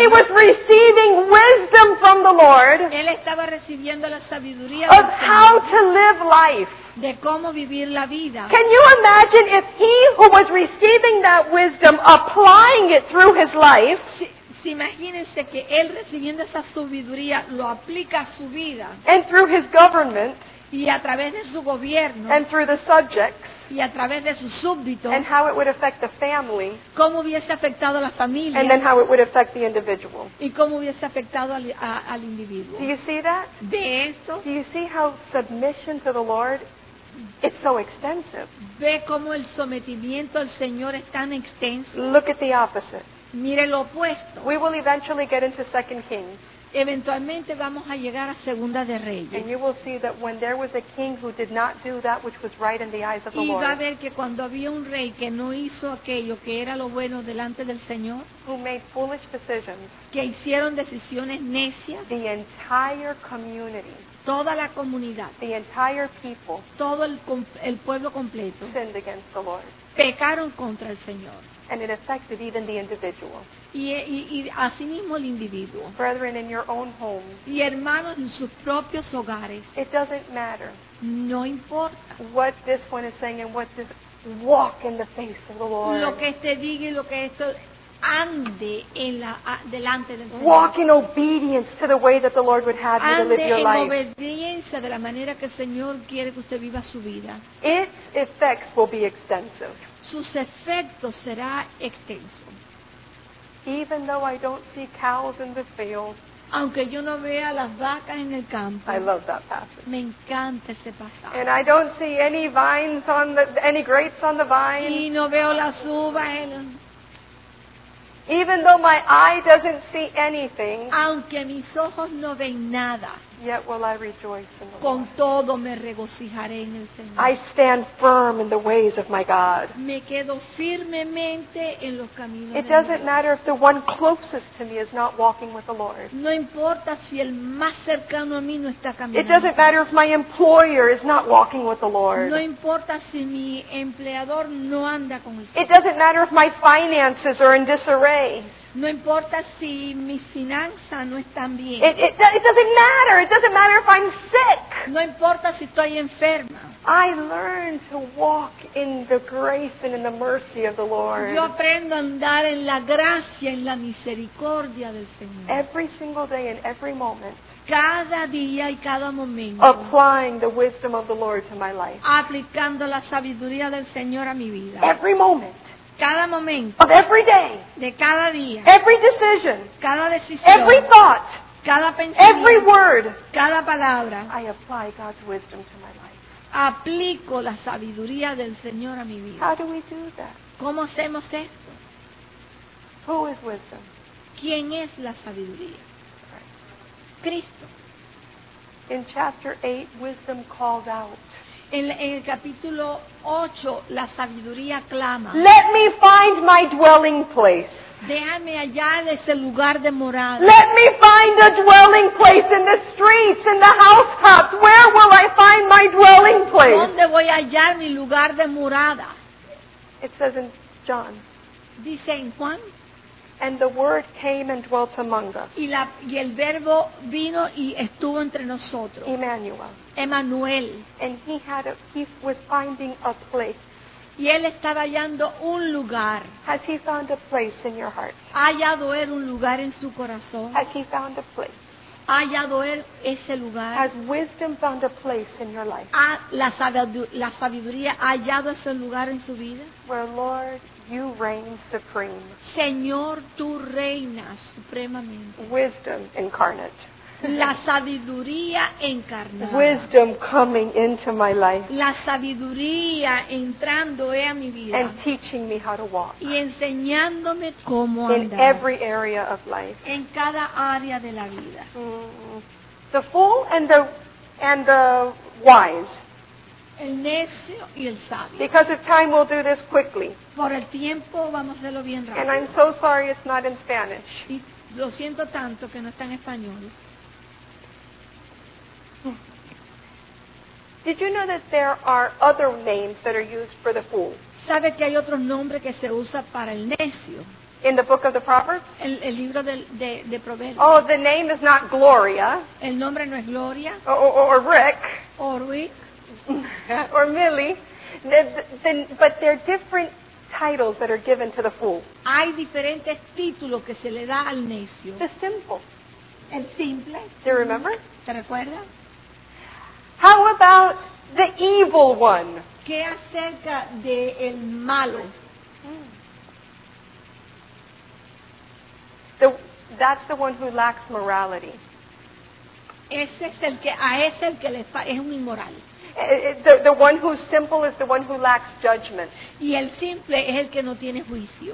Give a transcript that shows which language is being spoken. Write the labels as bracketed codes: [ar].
[en] He was receiving wisdom from the Lord. [es] Él estaba recibiendo la sabiduría [en] of how to live life. [es] De cómo vivir la vida. [en] Can you imagine if he who was receiving that wisdom applying it through his life? [es] Imagínense que él recibiendo esa sabiduría lo aplica a su vida. [en] And through his government. [es] Y a través de su gobierno. [en] And through the subjects. [es] y a través de sus súbditos, [en] and how it would affect the family, [es] cómo hubiese afectado a la familia, [en] and then how it would affect the individual. [es] Y cómo hubiese afectado al individuo. [en] Do you see that? [es] ¿Ve eso? [en] Do you see how submission to the Lord, it's so extensive? [es] ¿Ve cómo el sometimiento al Señor es tan extenso? [en] Look at the opposite. [es] Mire lo opuesto. [en] We will eventually get into 2 Kings. [es] Eventualmente vamos a llegar a Segunda de Reyes. [en] And you will see that when there was a king who did not do that which was right in the eyes of the [es] y [en] Lord. [es] Y va a ver que cuando había un rey que no hizo aquello que era lo bueno delante del Señor, [en] who made foolish decisions, [es] que hicieron decisiones necias, [en] the entire community, [es] toda la comunidad, [en] the entire people, [es] todo el pueblo completo, [en] sinned against the Lord. [es] Pecaron contra el Señor. [en] And it affected even the individual. [es] Y así mismo el individuo. [en] Brethren, in your own homes. [es] Y hermanos en sus propios hogares. [en] It doesn't matter. [es] No importa. [en] What this one is saying and what this walk in the face of the Lord. [es] Lo que este diga y lo que esto ande en la delante del Señor. [en] Walk in obedience to the way that the Lord would have you to live your life. [es] Ande en obediencia de la manera que el Señor quiere que usted viva su vida. [en] Its effects will be extensive. [es] Sus efectos será extenso. [en] Even though I don't see cows in the field, [es] aunque yo no vea las vacas en el campo, [en] I love that passage. [es] Me encanta ese pasaje. [en] And I don't see any vines on the any grapes on the vine. [es] Y no veo las uvas en el... [en] Even though my eye doesn't see anything, [es] aunque mis ojos no ven nada, [en] yet will I rejoice in the [es] con [en] Lord. [es] Todo me regocijaré en el Señor. [en] I stand firm in the ways of my God. [es] Me quedo firmemente en los caminos. [en] It doesn't matter if the one closest to me is not walking with the Lord. [es] No importa si el más cercano a mí no está caminando. [en] It doesn't matter if my employer is not walking with the Lord. [es] No importa si mi empleador no anda con el Señor. [en] It doesn't matter if my finances are in disarray. No importa si mis finanzas no están bien. It doesn't matter. It doesn't matter if I'm sick. [es] No importa si estoy enferma. [en] I learn to walk in the grace and in the mercy of the Lord. [es] Yo aprendo a andar en la gracia, en la misericordia del Señor. [en] Every single day and every moment. [es] Cada día y cada momento. [en] Applying the wisdom of the Lord to my life. [es] Aplicando la sabiduría del Señor a mi vida. [en] Every moment. [es] Cada momento, [en] of every day, [es] de cada día, [en] every decision, [es] cada decisión, [en] every thought, [es] cada pensamiento, [en] every word, [es] cada palabra, [en] I apply God's wisdom to my life. [es] Aplico la sabiduría del Señor a mi vida. [en] How do we do that? [es] ¿Cómo hacemos esto? [en] Who is wisdom? [es] ¿Quién es la sabiduría? Cristo. [en] In chapter 8, wisdom called out. [es] En el capítulo 8, la sabiduría clama. [en] Let me find my dwelling place. [es] Déjame hallar ese lugar de morada. [en] Let me find a dwelling place in the streets, in the housetops. Where will I find my dwelling place? [es] ¿Dónde voy a hallar mi lugar de morada? [en] It says in John. [es] Dice en Juan. [en] And the word came and dwelt among us. [es] Y el verbo vino y estuvo entre nosotros. [en] Emmanuel. [es] Emmanuel. [en] And he was finding a place. [es] Y él estaba hallando un lugar. [en] Has he found a place in your heart? [es] ¿Ha hallado él un lugar en su corazón? [en] Has he found a place? [es] ¿Ha hallado él ese lugar? [en] Has wisdom found a place in your life? [es] ¿Ha la sabiduría ha hallado ese lugar en su vida? [en] Where Lord, you reign supreme. [es] Señor, tú reinas supremamente. [en] Wisdom incarnate. [es] La sabiduría encarnada. [en] Wisdom coming into my life. [es] La sabiduría entrando a mi vida. [en] And teaching me how to walk. [es] Y enseñándome cómo [en] in [es] andar. [en] In every area of life. [es] En cada área de la vida. [en] The fool and the wise. [es] El necio y el sabio. [en] Because of time, we'll do this quickly. [es] Por el tiempo, vamos a hacerlo bien rápido. [en] And I'm so sorry it's not in Spanish. [es] Y lo siento tanto que no está en español. [en] Did you know that there are other names that are used for the fool? [es] ¿Sabe que hay otro nombre que se usa para el necio? [en] In the book of the Proverbs? [es] El libro de Proverbios. [en] Oh, the name is not Gloria. [es] El nombre no es Gloria. [en] Or Rick. Or Rick. Or Millie. But there are different titles that are given to the fool. [es] Hay diferentes títulos que se le da al necio. [en] The simple. [es] El simple. [en] Do you remember? [es] ¿Te recuerdas? [en] How about the evil one? [es] ¿Qué acerca de el malo? [en] That's the one who lacks morality. [es] Ese es el que a ese el que le es un inmoral. [en] The one who's simple is the one who lacks judgment. [es] Y el simple es el que no tiene juicio.